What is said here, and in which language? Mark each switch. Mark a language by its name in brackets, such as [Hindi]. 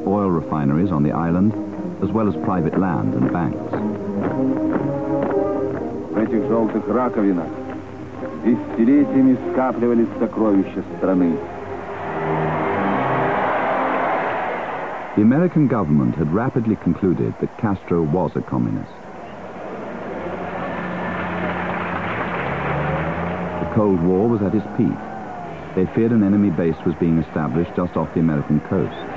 [English] oil refineries on the island, as well as private land and banks. [Russian] В этих желтых раковинах десятилетиями скапливались сокровища страны. [English] The American government had rapidly concluded that Castro was a communist. The Cold War was at its peak. They feared an enemy base was being established just off the American coast.